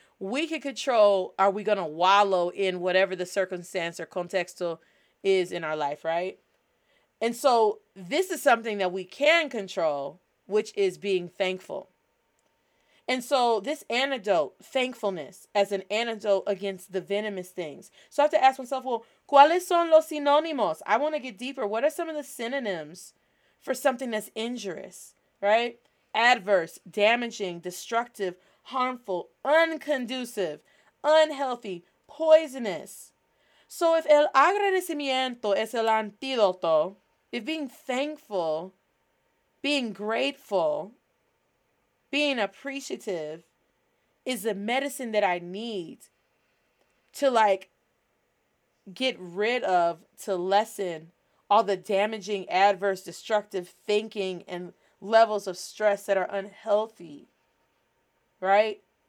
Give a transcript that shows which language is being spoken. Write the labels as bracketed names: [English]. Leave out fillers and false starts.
[English] We can control, are we going to wallow in whatever the circumstance or contextual is in our life, right? And so this is something that we can control, which is being thankful. And so this antidote, thankfulness, as an antidote against the venomous things. So I have to ask myself, well, [Spanish] ¿cuáles son los sinónimos? [English] I want to get deeper. What are some of the synonyms for something that's injurious, right? Adverse, damaging, destructive, harmful, unconducive, unhealthy, poisonous. So if [Spanish] el agradecimiento es el antídoto, [English] if being thankful, being grateful, being appreciative is the medicine that I need to, like, get rid of, to lessen all the damaging, adverse, destructive thinking and levels of stress that are unhealthy, right?